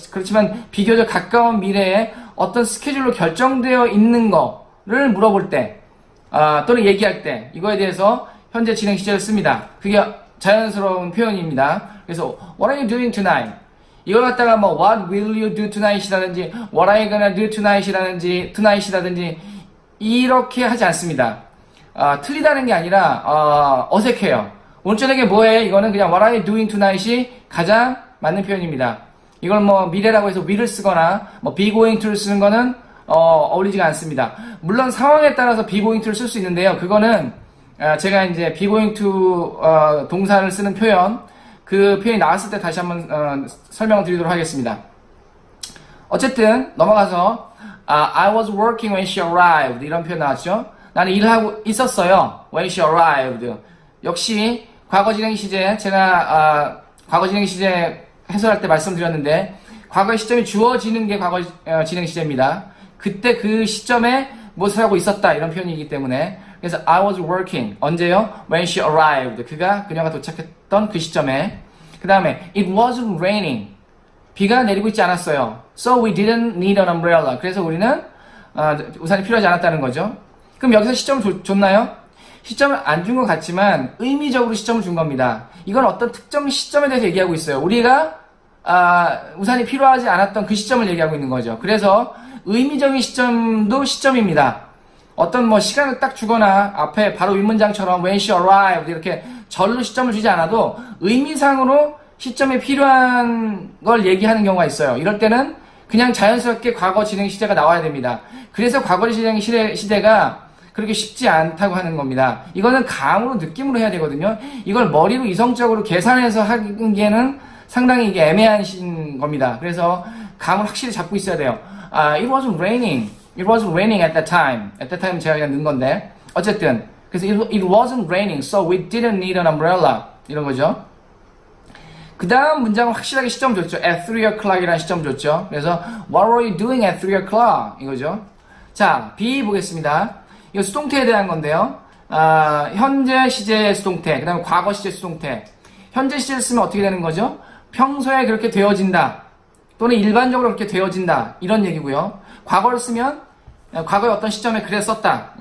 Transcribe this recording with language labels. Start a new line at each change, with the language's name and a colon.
Korean: 그렇지만 비교적 가까운 미래에 어떤 스케줄로 결정되어 있는 거를 물어볼 때, 또는 얘기할 때 이거에 대해서 현재 진행 시제를 씁니다. 그게 자연스러운 표현입니다. 그래서
English: What are you doing tonight?
Korean: 이걸 갖다가 뭐
English: What will you do tonight
Korean: 이라든지
English: What are you gonna do tonight
Korean: 이라든지 tonight이라든지 이렇게 하지 않습니다. 틀리다는 게 아니라 어색해요. 오늘 저녁에 뭐해? 이거는 그냥
English: What are you doing tonight
Korean: 이 가장 맞는 표현입니다. 이걸 뭐 미래라고 해서 will을 쓰거나 뭐 be going to를 쓰는 거는 어울리지가 않습니다. 물론 상황에 따라서 be going to를 쓸수 있는데요. 그거는 제가 이제 be going to 동사를 쓰는 표현, 그 표현이 나왔을 때 다시 한번 설명을 드리도록 하겠습니다. 어쨌든 넘어가서
English: I was working when she arrived.
Korean: 이런 표현 나왔죠. 나는 일하고 있었어요.
English: When she arrived.
Korean: 역시 과거진행시제, 제가 과거진행시제 해설할 때 말씀드렸는데, 과거의 시점이 주어지는 게 과거진행시제입니다. 그때 그 시점에 무엇을 하고 있었다. 이런 표현이기 때문에. 그래서
English: I was working.
Korean: 언제요?
English: When she arrived.
Korean: 그녀가 도착했던 그 시점에. 그 다음에
English: It wasn't raining.
Korean: 비가 내리고 있지 않았어요.
English: So we didn't need an umbrella.
Korean: 그래서 우리는 우산이 필요하지 않았다는 거죠. 그럼 여기서 시점을 줬나요? 시점을 안준것 같지만 의미적으로 시점을 준 겁니다. 이건 어떤 특정 시점에 대해서 얘기하고 있어요. 우리가 우산이 필요하지 않았던 그 시점을 얘기하고 있는 거죠. 그래서 의미적인 시점도 시점입니다. 어떤 뭐 시간을 딱 주거나 앞에 바로 윗문장처럼
English: When she arrived
Korean: 이렇게 절로 시점을 주지 않아도 의미상으로 시점에 필요한 걸 얘기하는 경우가 있어요. 이럴 때는 그냥 자연스럽게 과거 진행 시제가 나와야 됩니다. 그래서 과거 진행 시제가 그렇게 쉽지 않다고 하는 겁니다. 이거는 감으로 느낌으로 해야 되거든요. 이걸 머리로 이성적으로 계산해서 하기에는 상당히 이게 애매하신 겁니다. 그래서 감을 확실히 잡고 있어야 돼요.
English: It wasn't raining. It wasn't raining at that time. At that time
Korean: 제가 그냥 넣은 건데. 어쨌든. 그래서
English: it wasn't raining. So we didn't need an umbrella.
Korean: 이런 거죠. 그 다음 문장은 확실하게 시점 줬죠.
English: At 3 o'clock
Korean: 이라는 시점 줬죠. 그래서
English: What were you doing at 3 o'clock?
Korean: 이거죠. 자, B 보겠습니다. 이거 수동태에 대한 건데요. 현재 시제의 수동태, 그 다음에 과거 시제 수동태. 현재 시제를 쓰면 어떻게 되는 거죠? 평소에 그렇게 되어진다. 또는 일반적으로 그렇게 되어진다. 이런 얘기고요. 과거를 쓰면 과거의 어떤 시점에 그랬었다.